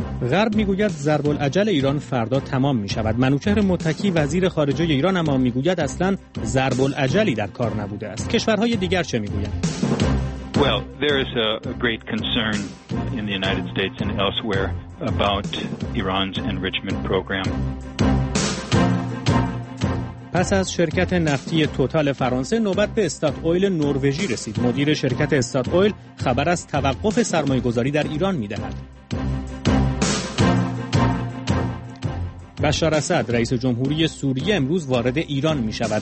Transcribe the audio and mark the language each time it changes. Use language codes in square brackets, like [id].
[fa] غرب میگوید ضرب العجل ایران فردا تمام می شود. منوچهر متکی وزیر خارجه ایران اما میگوید اصلا ضرب العجلی در کار نبوده است. کشورهای دیگر چه میگویند؟ [en] Well, there is a great concern in the United States and elsewhere about Iran's enrichment program. [fa] پس از شرکت نفتی توتال فرانسه نوبت به استات اویل نروژی رسید. مدیر شرکت استات اویل خبر از توقف سرمایه‌گذاری در ایران می‌دهد. بشار اسد رئیس جمهوری سوریه امروز وارد ایران می شود.